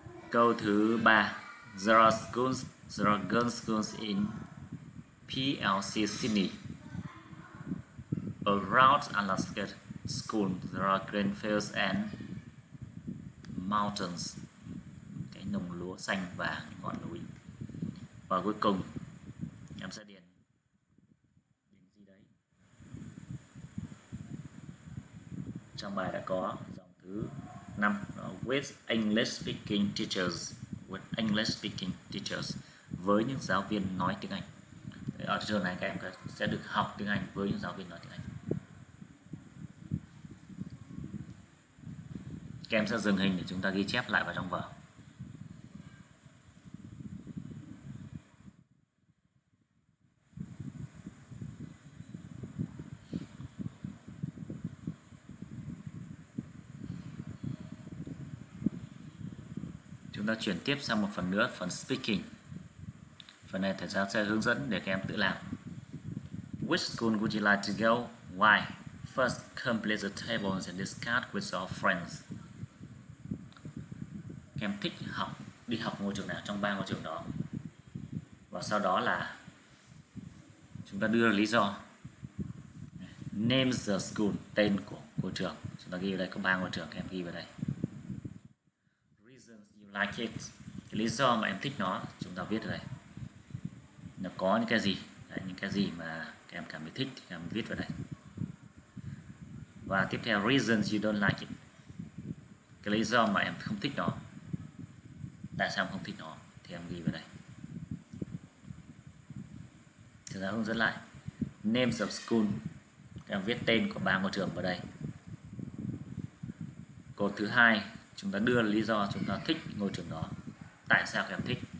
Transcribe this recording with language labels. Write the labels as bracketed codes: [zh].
[vi] Câu thứ 3, [en] there are girls schools in PLC Sydney. Around Alaska school, there are green fields and mountains. [vi] Cái đồng lúa xanh và ngọn núi. Và cuối cùng, em sẽ điền. Điền gì đấy? Trong bài đã có dòng thứ 5, [en] with English speaking teachers [vi] với những giáo viên nói tiếng Anh. Ở trường này các em sẽ được học tiếng Anh với những giáo viên nói tiếng Anh. Các em sẽ dừng hình để chúng ta ghi chép lại vào trong vở. Chúng ta chuyển tiếp sang một phần nữa, phần speaking. Phần này thầy giáo sẽ hướng dẫn để các em tự làm. [en] Which school would you like to go? Why? First, complete the tables and discuss with your friends. [vi] Các em thích học, đi học ngôi trường nào trong ba ngôi trường đó. Và sau đó là chúng ta đưa ra lý do. [en] Name the school, [vi] tên của ngôi trường. Chúng ta ghi vào đây, có ba ngôi trường, các em ghi vào đây. [en] Like it. [vi] Cái lý do mà em thích nó, chúng ta viết đây. Nó có những cái gì, đấy, những cái gì mà các em cảm thấy thích thì các em viết vào đây. Và tiếp theo, [en] reasons you don't like it. [vi] Cái lý do mà em không thích nó. Tại sao em không thích nó? Thì em ghi vào đây. Chúng ta hướng dẫn lại. [en] Names of school. [vi] Em viết tên của ba ngôi trường vào đây. Cột thứ hai, chúng ta đưa lý do chúng ta thích ngôi trường đó. Tại sao em thích?